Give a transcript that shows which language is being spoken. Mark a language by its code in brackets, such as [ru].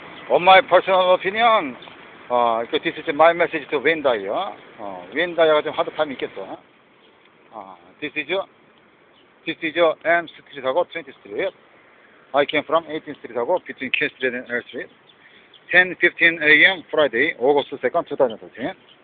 [en] On my personal opinion, this is my message to Wendy. [ko] Wendy가 좀 하드 타임 있겠어. [en] This is M Street [ko] 하고 [en] 20th Street. I came from 18th Street [ko] 하고 [en] between K Street and L Street. 10:15 a.m. Friday, August 2nd, 2013.